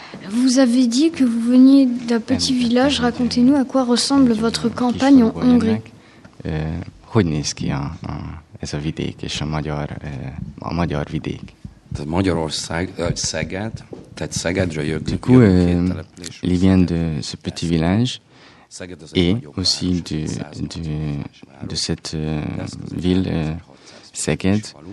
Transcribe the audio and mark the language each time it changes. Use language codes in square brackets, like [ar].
[fr] Vous avez dit que vous veniez d'un petit village. Racontez-nous à quoi ressemble votre campagne en Hongrie. [hu] Hogy néz ki ez a vidék és a magyar vidék? [fr] Du coup, il vient de ce petit village et aussi de cette ville, Szeged.